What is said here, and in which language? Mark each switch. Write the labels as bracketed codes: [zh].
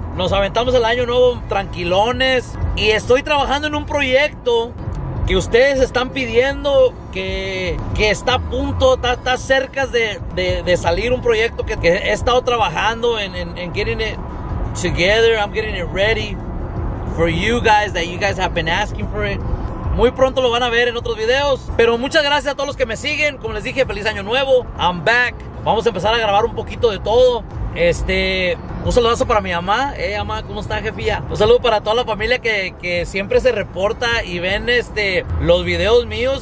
[es] Nos aventamos el Año Nuevo tranquilones. Y estoy trabajando en un proyecto que ustedes están pidiendo, que está a punto, está cerca de salir un proyecto que he estado trabajando en [en] getting it together. I'm getting it ready for you guys, that you guys have been asking for it. [es] Muy pronto lo van a ver en otros videos. Pero muchas gracias a todos los que me siguen. Como les dije, feliz Año Nuevo. [en] I'm back. [es] Vamos a empezar a grabar un poquito de todo. Un saludazo para mi mamá. Mamá, ¿cómo está, jefía? Un saludo para toda la familia que siempre se reporta y ven los videos míos.